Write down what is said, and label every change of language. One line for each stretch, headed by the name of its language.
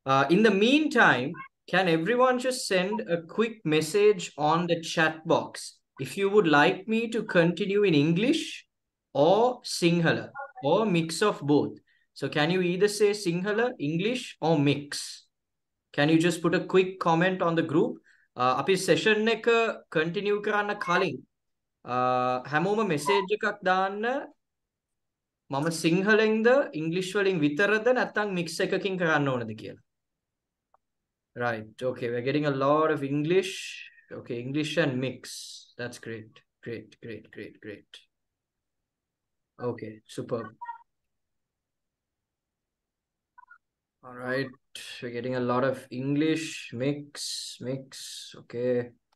English: In the meantime, can everyone just send a quick message on the chat box if you would like me to continue in English or Sinhala or mix of both? So can you either say Sinhala, English or mix? Can you just put a quick comment on the group?
Sinhala: අපි session එක continue කරන්න කලින් හැමෝම message එකක් දාන්න මම සිංහලෙන්ද English වලින් විතරද නැත්නම් mix එකකින් කරන්න ඕනද කියලා.
English: Right, okay, we're getting a lot of English. Okay, English and mix. That's great. Great, great, great, great. Okay, superb. All right, we're getting a lot of English, mix, okay.